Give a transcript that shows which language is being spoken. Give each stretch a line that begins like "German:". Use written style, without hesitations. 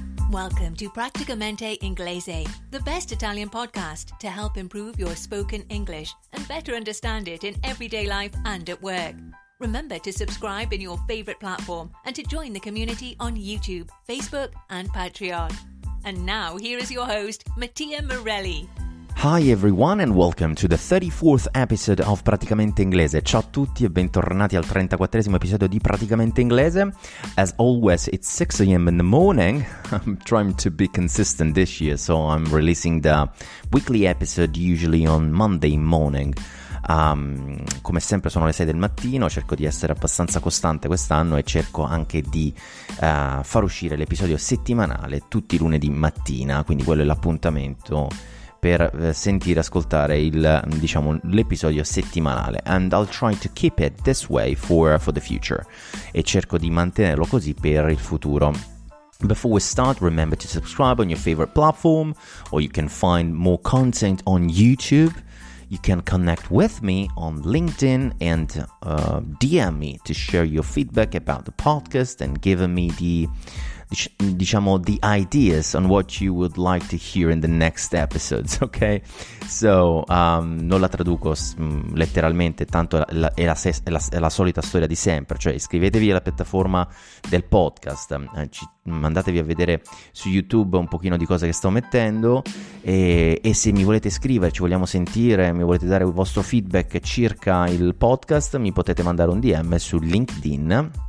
English: Welcome to Practicamente Inglese, the best Italian podcast to help improve your spoken English and better understand it in everyday life and at work. Remember to subscribe in your favorite platform and to join the community on YouTube, Facebook and Patreon. And now here is your host, Mattia Morelli. Hi everyone and welcome to the 34th episode of Praticamente Inglese.
Italian: Ciao a tutti e bentornati al 34esimo episodio di Praticamente Inglese.
English: As always, it's 6 a.m. in the morning. I'm trying to be consistent this year, so I'm releasing the weekly episode usually on Monday morning.
Italian: Come sempre sono le 6 del mattino, cerco di essere abbastanza costante quest'anno e cerco anche di far uscire l'episodio settimanale tutti i lunedì mattina, quindi quello è l'appuntamento per sentire, ascoltare il, diciamo, l'episodio settimanale.
English: And I'll try to keep it this way for the future.
Italian: E cerco di mantenerlo così per il futuro.
English: Before we start, remember to subscribe on your favorite platform, or you can find more content on YouTube. You can connect with me on LinkedIn and DM me to share your feedback about the podcast and give me the, diciamo, the ideas on what you would like to hear in the next episodes, ok?
Italian: So, non la traduco letteralmente, tanto è la solita storia di sempre, cioè iscrivetevi alla piattaforma del podcast, mandatevi a vedere su YouTube un pochino di cose che sto mettendo e se mi volete scrivere, ci vogliamo sentire, mi volete dare il vostro feedback circa il podcast, mi potete mandare un DM su LinkedIn.